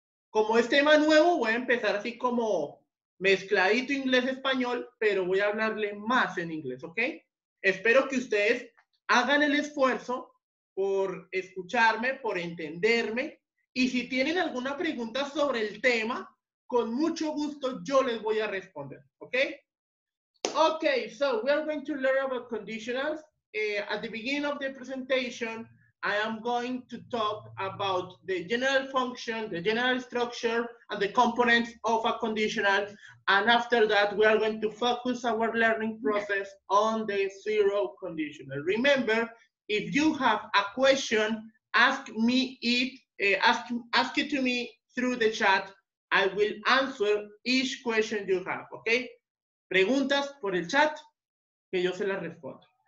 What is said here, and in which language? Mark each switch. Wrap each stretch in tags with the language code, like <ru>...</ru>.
<es>Como es tema nuevo, voy a empezar así como mezcladito inglés-español, pero voy a hablarle más en inglés, ¿ok? Espero que ustedes hagan el esfuerzo por escucharme, por entenderme, y si tienen alguna pregunta sobre el tema, con mucho gusto yo les voy a responder, ¿ok?</es> <en>Ok, so we are going to learn about conditionals. At the beginning of the presentation, I am going to talk about the general function, the general structure, and the components of a conditional. And after that, we are going to focus our learning process on the zero conditional. Remember, if you have a question, ask me it, ask it to me through the chat. I will answer each question you have, okay?</en> <es>Preguntas por el chat, que yo se las respondo.</es>